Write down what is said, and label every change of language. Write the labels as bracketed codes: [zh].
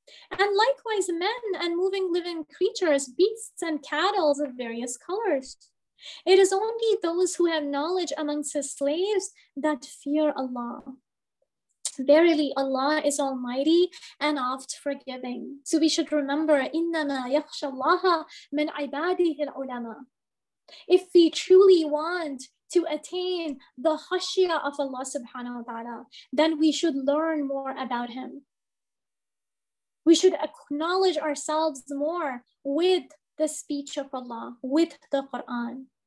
[en] And likewise men and moving living creatures, beasts and cattle of various colors. It is only those who have knowledge amongst his slaves that fear Allah. Verily, Allah is almighty and oft forgiving. So we should remember, [ar] إِنَّمَا يَخْشَ اللَّهَ مِنْ عِبَادِهِ الْعُلَمَى. [en] If we truly want to attain the khashya of Allah subhanahu wa ta'ala, then we should learn more about him. We should acknowledge ourselves more with the speech of Allah, with the Quran.